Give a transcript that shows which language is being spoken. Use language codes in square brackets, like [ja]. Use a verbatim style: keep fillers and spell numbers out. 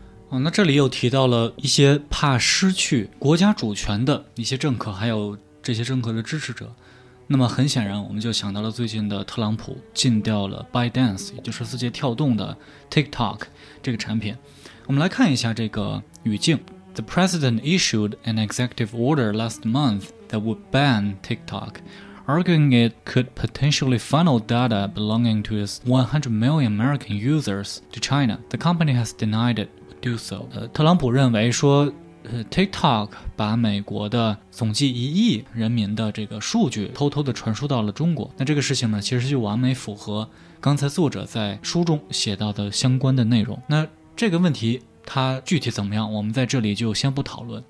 [zh] 哦、那这里又提到了一些怕失去国家主权的一些政客，还有这些政客的支持者。那么很显然我们就想到了最近的特朗普禁掉了 ByteDance， 也就是字节跳动的 TikTok 这个产品。我们来看一下这个语境。 [en] The president issued an executive order last month that would ban TikTok, arguing it could potentially funnel data belonging to its one hundred million American users to China. The company has denied it would do so. [zh] 呃，特朗普认为说TikTok 把美国的总计一亿人民的这个数据偷偷的传输到了中国。那这个事情呢，其实就完美符合刚才作者在书中写到的相关的内容。那这个问题它具体怎么样，我们在这里就先不讨论。